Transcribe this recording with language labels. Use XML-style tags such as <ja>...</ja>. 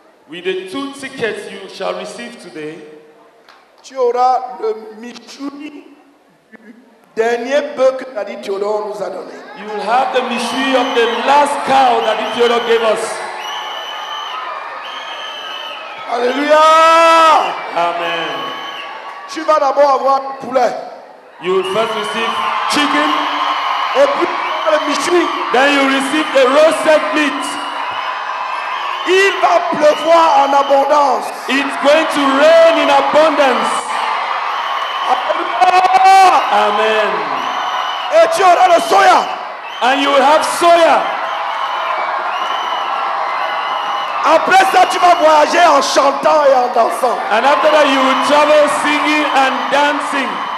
<en>With the two tickets you shall receive today.</en> <fr>Tu auras le Michuni du dernier bœuf que Daddy Théodore nous a donné.</fr> <en>You will have the Michuni of the last cow that Daddy Théodore gave us. Alléluia! Amen.</en> <fr>Tu vas d'abord avoir le poulet.</fr> <en>You will first receive chicken.</en> <fr>Et puis le Michuni.</fr> <en>Then you receive the roasted meat.</en> <fr>Il va pleuvoir en abondance.</fr> <en>It's going to rain in abundance. Alléluia. Amen.</en> <fr>Et tu auras le soya.</fr> <en>And you will have soya.</en> <fr>Après ça, tu vas voyager en chantant et en dansant.</fr> <en>And after that, you will travel singing and dancing.</en>